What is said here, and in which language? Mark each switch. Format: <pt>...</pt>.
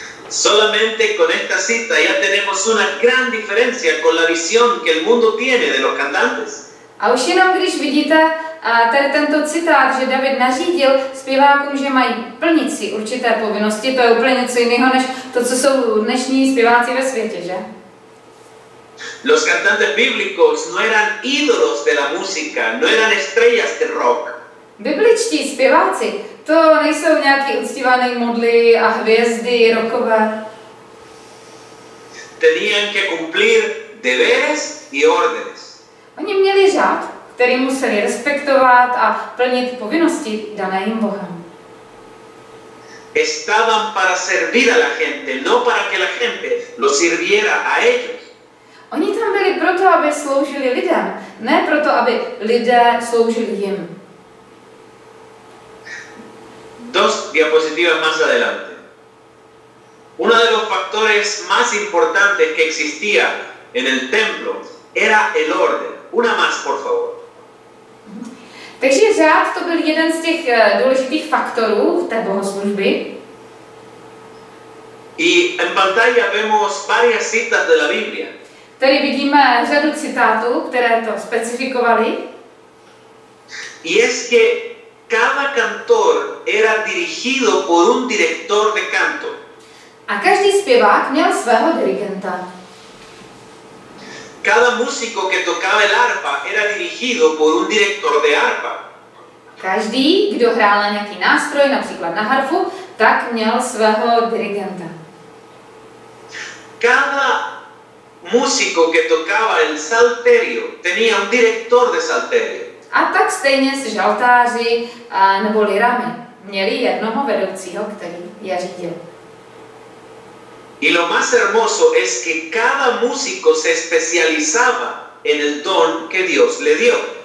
<es>Solamente con esta cita ya tenemos una gran diferencia con la visión que el mundo tiene de los cantantes.</es> <cs>A už jenom když vidíte tady tento citát, že David nařídil zpěvákům, že mají plnit si určité povinnosti, to je úplně něco jiného než to, co jsou dnešní zpěváci ve světě, že?</cs> <es>Los cantantes bíblicos no eran ídolos de la música, no eran estrellas de rock.</es> <cs>Bibličtí zpěváci, to nejsou nějaký uctívané modly a hvězdy rockové.</cs> <es>Tenían que cumplir deberes y órdenes.</es> <cs>Oni měli řád, který museli respektovat a plnit povinnosti dané jim Bohem.</cs> <es>Estaban para servir a la gente, no para que la gente lo sirviera a ellos.</es> <cs>Oni tam byli proto, aby sloužili lidem, ne proto, aby lidé sloužili jim.</cs> <es>Dos diapositivas más adelante. Uno de los factores más importantes que existía en el templo era el orden. Una más, por favor.</es> <cs>Takže řád to byl jeden z těch důležitých faktorů v té bohoslužby.</cs> <es>Y en pantalla vemos varias citas de la Biblia.</es> <cs>Tady vidíme řadu citátů, které to specifikovali.</cs> <es>Y es que cada cantor era dirigido por un director de canto.</es> <cs>A každý zpěvák měl svého dirigenta.</cs> <es>Cada músico que tocaba el arpa era dirigido por un director de arpa.</es> <cs>Každý, kdo hrál na nějaký nástroj, například na harfu, tak měl svého dirigenta.</cs> <es>Cada músico que tocaba el salterio tenía un director de salterio.</es> <cs>A tak stejně s žaltáři nebo lirami měli jednoho vedoucího, který je řídil.</cs> <es>Y lo más hermoso es que cada músico se especializaba en el don que Dios le dio.</es>